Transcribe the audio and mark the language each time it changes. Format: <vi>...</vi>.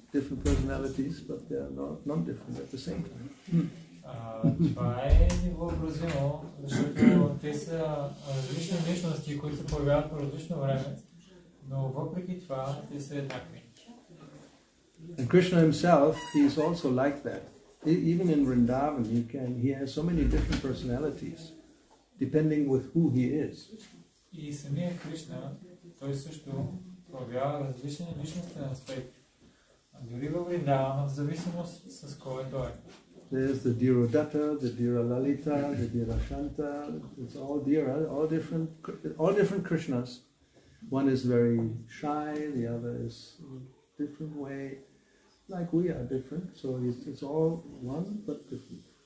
<en>Different personalities, but they are not non-different at the same time.</en> <bg>Това е невъобразимо, защото те са различни личности, които се появяват по различно време, но въпреки това те са еднакви.</bg> <en>And Krishna himself, he is also like that. Even in Vrindavan, he has so many different personalities, depending with who he is.</en> <bg>И самия Кришна, той също появява различни личностни аспекти. Дори във Вриндавана, в зависимост с кой той е.</bg> <en>There's the Dhirudatta, the Dhira Lalita, the Dhira Shanta, it's all Dhira, all different Krishnas. One is very shy, the other is different way, like we are different, so it's all one but different.</en>